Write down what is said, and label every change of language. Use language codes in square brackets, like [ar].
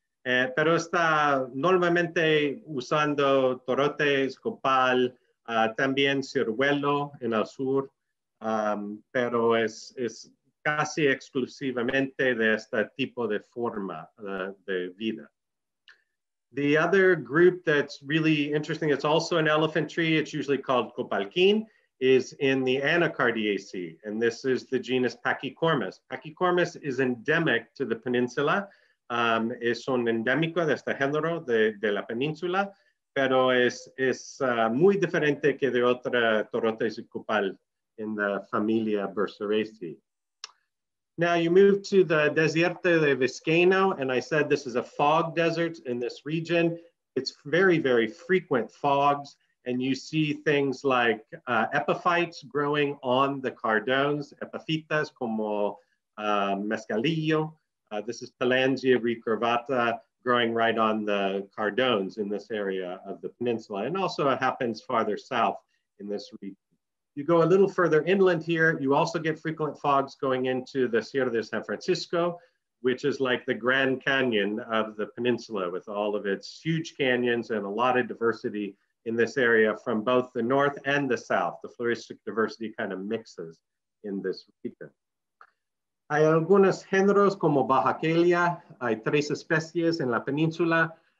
[es] Pero está normalmente usando torotes, copal, también ciruelo en el sur, pero es casi exclusivamente de este tipo de forma de vida. [en] The other group that's really interesting, it's also an elephant tree, it's usually called copalquín, is in the Anacardiaceae, and this is the genus Pachycormus. Pachycormus is endemic to the peninsula. [es] Es un endémico de este género de la península, pero es muy diferente que de otra torotes y copal en la familia Bursaceae. [en] Now you move to the desierto de Vizcaino, and I said this is a fog desert in this region. It's very, very frequent fogs, and you see things like epiphytes growing on the cardones, [es] epifitas como mezcalillo. [en] This is Palangia recurvata growing right on the cardones in this area of the peninsula. And also it happens farther south in this region. You go a little further inland here, you also get frequent fogs going into the Sierra de San Francisco, which is like the Grand Canyon of the peninsula with all of its huge canyons and a lot of diversity in this area from both the north and the south. The floristic diversity kind of mixes in this region. [es] Hay algunos géneros como bajaquelia, hay tres especies en la península.